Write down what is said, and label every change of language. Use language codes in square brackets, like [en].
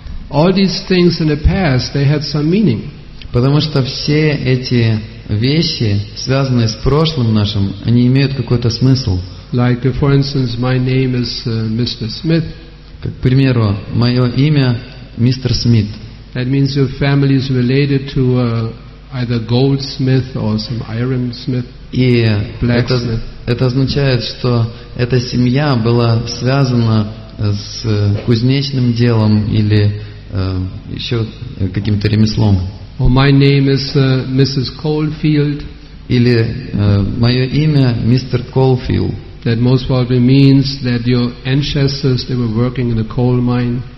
[en] All these things in the past, they had some meaning. [ru] Потому что все эти вещи, связанные с прошлым нашим, они имеют какой-то смысл. [en] Like, for instance, my name is Mr. Smith. [ru] Как, к примеру, мое имя мистер Смит. [en] That means your family is related to either goldsmith or some iron smith. [ru] И это означает, что эта семья была связана с кузнечным делом или еще каким-то ремеслом. [en] Or my name is Mrs. Caulfield. [ru] Или мое имя мистер Caulfield. [en] That most probably means that your ancestors, they were working in a coal mine.